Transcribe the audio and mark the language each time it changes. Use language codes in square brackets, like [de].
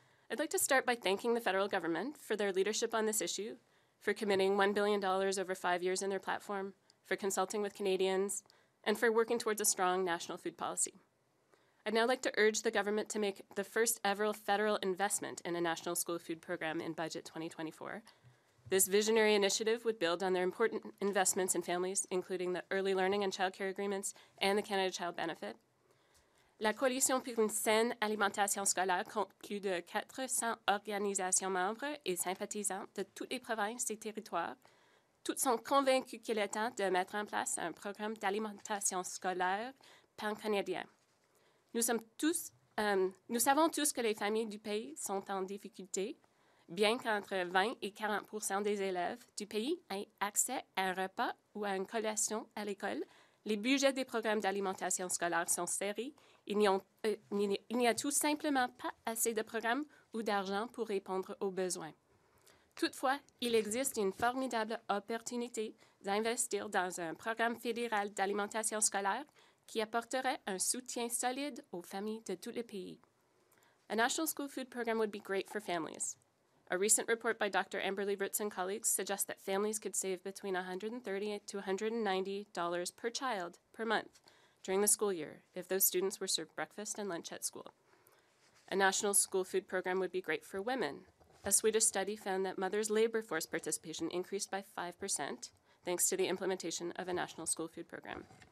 [en] I'd like to start by thanking the federal government for their leadership on this issue, for committing $1 billion over 5 years in their platform, for consulting with Canadians, and for working towards a strong national food policy. I'd now like to urge the government to make the first ever federal investment in a national school food program in budget 2024. This visionary initiative would build on their important investments in families, including the early learning and child care agreements and the Canada Child Benefit. [fr] La Coalition pour une saine alimentation scolaire compte plus de 400 organisations membres et sympathisants de toutes les provinces et territoires. Toutes sont convaincues qu'il est temps de mettre en place un programme d'alimentation scolaire pan-canadien. Nous savons tous que les familles du pays sont en difficulté, bien qu'entre 20 et 40 % des élèves du pays aient accès à un repas ou à une collation à l'école. Les budgets des programmes d'alimentation scolaire sont serrés. Il n'y a tout simplement pas assez de programmes ou d'argent pour répondre aux besoins. Toutefois, il existe une formidable opportunité d'investir dans un programme fédéral d'alimentation scolaire qui apporterait un soutien solide aux familles de tout le pays. [en] A national school food program would be great for families. A recent report by Dr. Amberly Roots and colleagues suggests that families could save between $130 to $190 per child per month during the school year if those students were served breakfast and lunch at school. A national school food program would be great for women. A Swedish study found that mothers' labor force participation increased by 5% thanks to the implementation of a national school food program.